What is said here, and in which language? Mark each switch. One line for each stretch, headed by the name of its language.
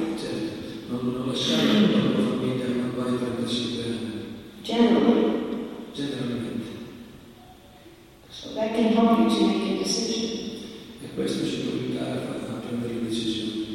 Italian: Certo, non lasciare la propria famiglia quando hai 35 anni.
English: Generally.
Italian: Generalmente.
English: So that can help you to make a decision.
Italian: E questo ci può aiutare a prendere una decisione.